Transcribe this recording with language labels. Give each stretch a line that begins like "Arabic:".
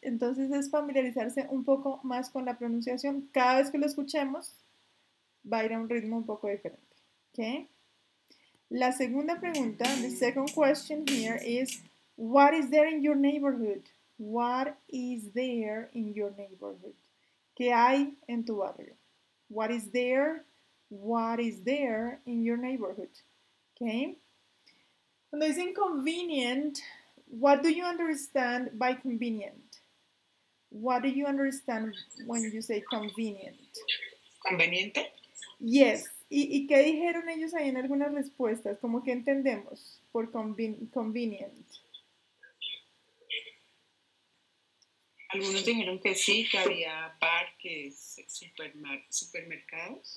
Spanish: Entonces es familiarizarse un poco más con la pronunciación. Cada vez que lo escuchemos, va a ir a un ritmo un poco diferente.
English: Okay?
Spanish: La segunda pregunta,
English: the second question here is, what is there in your neighborhood? What is there in your neighborhood?
Spanish: ¿Qué hay en tu barrio?
English: What is there? What is there in your neighborhood? Okay?
Spanish: Cuando es
English: inconvenient, what do you understand by convenient? What do you understand when you say convenient?
Spanish: ¿Conveniente?
English: Yes.
Spanish: ¿Y qué dijeron ellos ahí en algunas respuestas? ¿Cómo que entendemos por convenient? Algunos dijeron que sí, que había parques, supermercados.